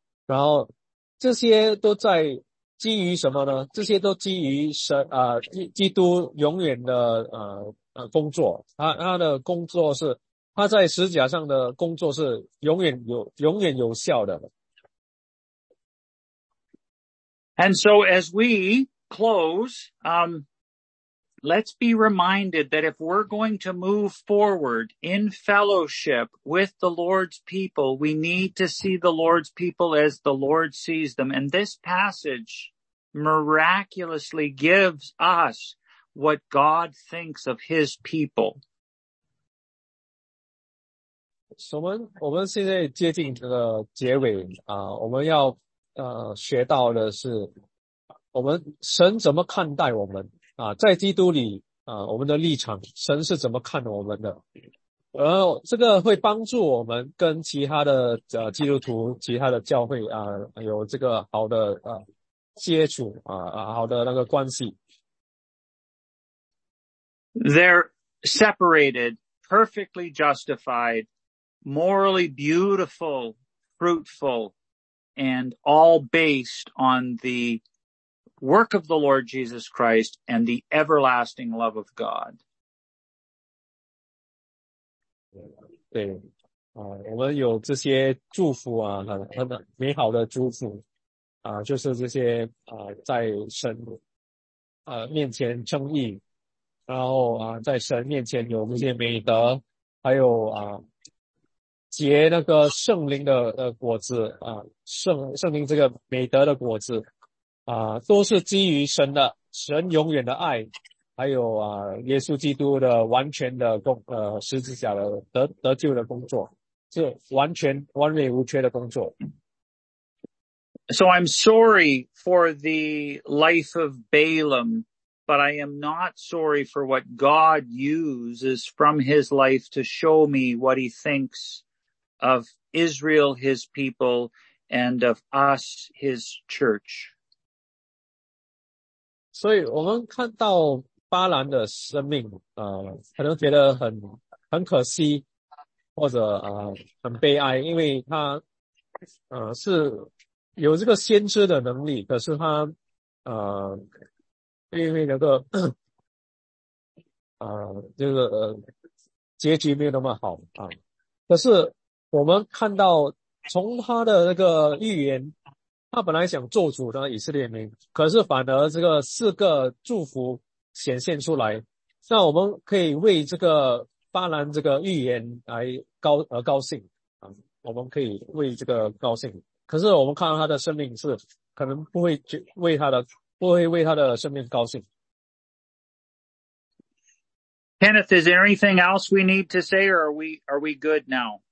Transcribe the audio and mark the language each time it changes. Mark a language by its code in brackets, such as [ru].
[zh] 然后这些都在基于什么呢？这些都基于基督永远的工作。他的工作是他在十字架上的工作是永远有效的。 [en] And so as we close, let's be reminded that if we're going to move forward in fellowship with the Lord's people, we need to see the Lord's people as the Lord sees them. And this passage miraculously gives us what God thinks of his people. [zh] 我们现在接近这个结尾啊，我们要学到的是我们神怎么看待我们啊，在基督里啊，我们的立场神是怎么看我们的，然后这个会帮助我们跟其他的基督徒其他的教会啊有这个好的接触好的那个关系。 [en] They're separated, perfectly justified, morally beautiful, fruitful, and all based on theWork of the Lord Jesus Christ and the everlasting love of God. [zh] 对，我们有这些祝福很美好的祝福就是这些在神面前称义，然后在神面前有这些美德，还有结那个圣灵的果子圣灵这个美德的果子。都是基于神的，神永远的爱，还有耶稣基督的完全的十字架的得救的工作，是完全完美无缺的工作。 [en] So I'm sorry for the life of Balaam, but I am not sorry for what God uses from his life to show me what he thinks of Israel, his people, and of us, his church. [zh] 所以我们看到巴兰的生命可能觉得很可惜或者很悲哀，因为他是有这个先知的能力，可是他因为那个这个结局没有那么好啊。可是我们看到从他的那个预言，他本来想咒诅的以色列民，可是反而这个四个祝福显现出来。那我们可以为这个巴兰这个预言来高兴啊，我们可以为这个高兴。可是我们看到他的生命是可能不会为他的生命高兴。 [en] Kenneth, is there anything else we need to say, or are we good now?